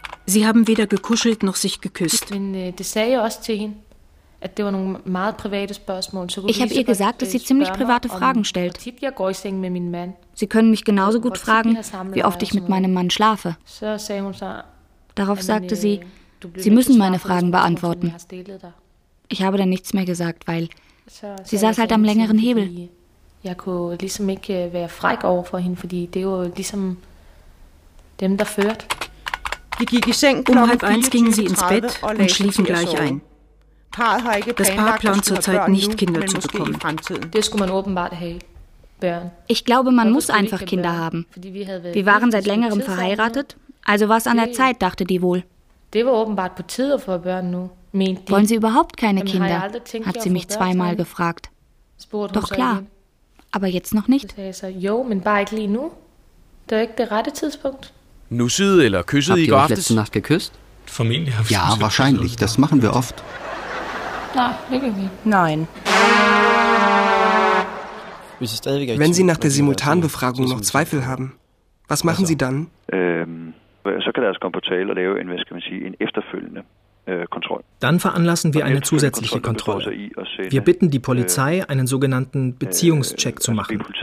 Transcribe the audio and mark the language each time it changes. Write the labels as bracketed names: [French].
[German] Sie haben weder gekuschelt noch sich geküsst. Ich habe ihr gesagt, dass sie ziemlich private Fragen stellt. Sie können mich genauso gut fragen, wie oft ich mit meinem Mann schlafe. Darauf sagte sie, sie müssen meine Fragen beantworten. Ich habe dann nichts mehr gesagt, weil sie saß halt am längeren Hebel. [Danish] Jeg kunne ligesom ikke være fræk over for hende, fordi det var ligesom dem, der førte. Vi gik i seng klokken 24:30 og lagde sig til at sove. Parret har ikke planlagt at have børn nu, men måske i fremtiden. Det skulle man åbenbart have. Børn. [German] Ich glaube, man muss einfach Kinder haben. Wir waren seit längerem verheiratet, also war es an der Zeit, dachte die wohl. [Danish] Det var åbenbart på tide at få børn nu, mente de. [German] Wollen Sie überhaupt keine Kinder? Hat sie mich zweimal gefragt. Doch klar. Aber jetzt noch nicht. [Danish] Jo, men bare ikke lige nu. Det er ikke det rette tidspunkt. Nusset eller kysset i går aftes? [German] Habt ihr euch letzte Nacht geküsst? Ja, wahrscheinlich. Das machen wir oft. Nein. Wenn Sie nach der Simultanbefragung noch Zweifel haben, was machen Sie dann? [Danish] Så kan deres komportale lave en, hvad skal man sige, en efterfølgende. [German] Dann veranlassen wir eine zusätzliche Kontrolle. Wir bitten die Polizei, einen sogenannten Beziehungscheck zu machen.